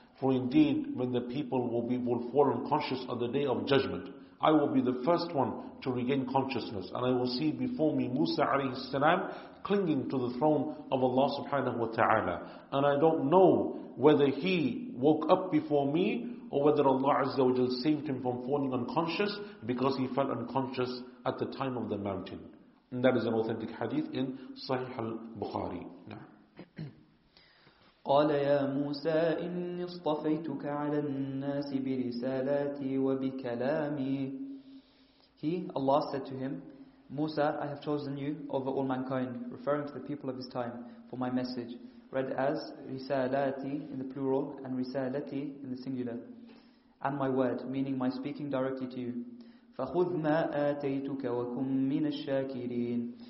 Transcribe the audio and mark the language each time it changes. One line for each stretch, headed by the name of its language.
English: For indeed, when the people will fall unconscious on the day of judgment, I will be the first one to regain consciousness, and I will see before me Musa alayhi salam clinging to the throne of Allah subhanahu wa ta'ala. And I don't know whether he woke up before me or whether Allah azza wa jal saved him from falling unconscious because he fell unconscious at the time of the mountain. And that is an authentic hadith in Sahih al-Bukhari.
Arabic: قال يا موسى إني اصطفيتك على الناس برسالاتي وبكلامي.
English: He, Allah, said to him, Musa, I have chosen you over all mankind, referring to the people of his time, for my message. Read as رسالاتي in the plural and رسالتي in the singular. And my word, meaning my speaking directly to you.
Arabic: فَخُذْ مَا آتَيْتُكَ وَكُمْ مِنَ الشَّاكِرِينَ.